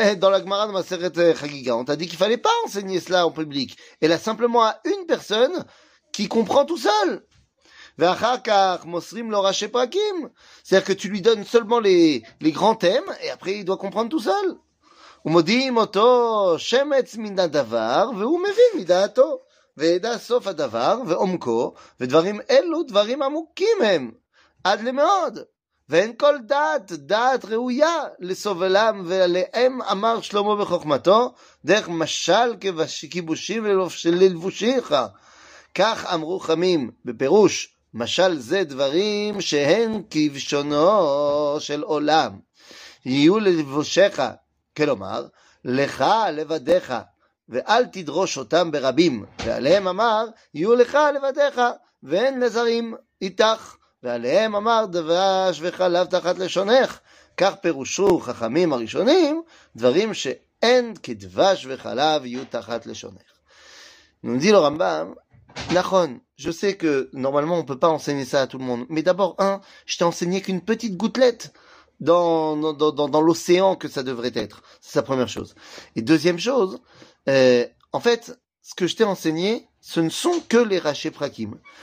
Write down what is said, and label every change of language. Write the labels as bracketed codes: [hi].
[fr] Dans la Gemara de Maseret Chagiga, on t'a dit qu'il fallait pas enseigner cela en public, et là simplement à une personne qui comprend tout seul. [he] Ve'achakach Mosrim Lo Rashi Prakim, [fr] c'est-à-dire que tu lui donnes seulement les grands thèmes, et après il doit comprendre tout seul. [he] ומודיעים אותו שמץ מן הדבר, והוא מבין מדעתו, וידע סוף הדבר ועומקו, ודברים אלו דברים עמוקים הם, עד למאוד, ואין כל דעת, דעת ראויה לסובלם, ולהם אמר שלמה בחוכמתו, דרך משל כיבושים ללבושיך. כך אמרו חמים בפירוש, משל זה דברים שהן כבשונו של עולם, יהיו ללבושיך. כלומר, לך לבדיך, ואל תדרוש אותם ברבים, ועליהם אמר, יהיו לך לבדיך, ואין נזרים איתך, ועליהם אמר, דבש וחלב תחת לשונך. כך פירושו חכמים הראשונים, דברים שאין כדבש וחלב יהיו תחת לשונך. נמדיל הרמב״ם, נכון, [fr] je sais que normalement on peut pas enseigner ça à tout le monde, mais d'abord, hein, je t'ai enseigné qu'une petite gouttelette. Dans l'océan que ça devrait être. C'est sa première chose. Et deuxième chose, en fait, ce que je t'ai enseigné, ce ne sont que les Rashi Prakim.